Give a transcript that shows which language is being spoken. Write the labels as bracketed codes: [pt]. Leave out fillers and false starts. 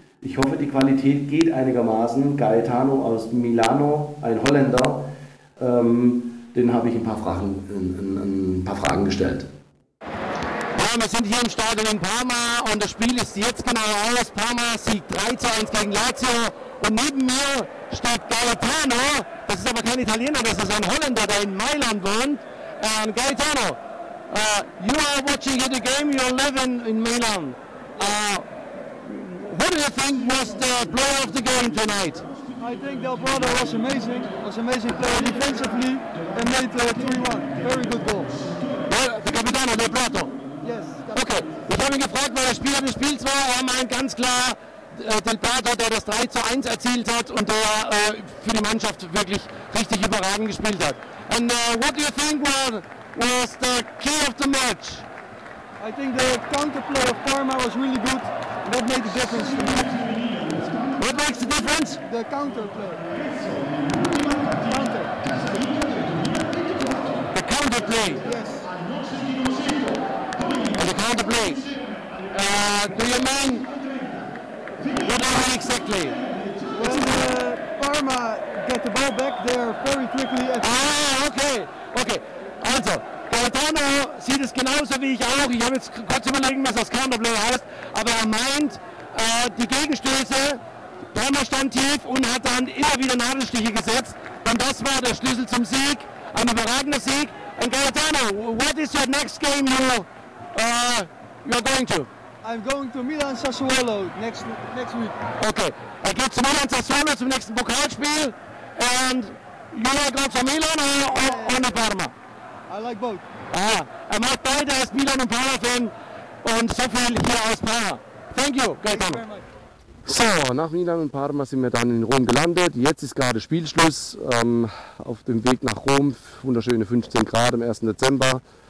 [de] Ich hoffe, die Qualität geht einigermaßen. Gaetano aus Milano, ein Holländer, den habe ich ein paar Fragen gestellt. Ja, wir sind hier im Stadion in Parma und das Spiel ist jetzt genau aus. Parma siegt 3-1 gegen Lazio. Und neben mir steht Gaetano, das ist aber kein Italiener, das ist ein Holländer, der in Mailand wohnt. [en] And Gaetano, you are watching the game, you are living in Milan. What do you think was the player of the game tonight? I think Del Prado was amazing player defensively and made 3-1, very good goal. Well, Capitano Del Prado, [de] Okay, ich habe ihn gefragt, weil der Spieler des Spiels war. Er meint ganz klar Delberto, der das 3:1 erzielt hat und der für die Mannschaft wirklich richtig überragend gespielt hat. [en] And what do you think was the key of the match? I think the counterplay of Parma was really good. What made the difference? What makes the difference? The counterplay. Yes. The counterplay. Do you mean what I mean exactly? When Parma get the ball back, they are very quickly. Okay. [de] Also, Gaetano sieht es genauso wie ich auch. Ich habe jetzt kurz überlegen, was das Counterplay heißt. Aber er meint, die Gegenstöße, Parma stand tief und hat dann immer wieder Nadelstiche gesetzt. Und das war der Schlüssel zum Sieg. Ein überragender Sieg. [en] And Gaetano, what is your next game you're going to? I'm going to Milan Sassuolo next week. Okay, I get to Milan Sassuolo [de] zum nächsten Pokalspiel. [en] And you are going to Milan or Parma? I like both. [de] Ah, er macht beide als Milan und Parma Fan und so viel hier aus Parma. [en] Thank you, Gaetano. [de] So, nach Milan und Parma sind wir dann in Rom gelandet. Jetzt ist gerade Spielschluss. Auf dem Weg nach Rom, wunderschöne 15 Grad am 1. Dezember.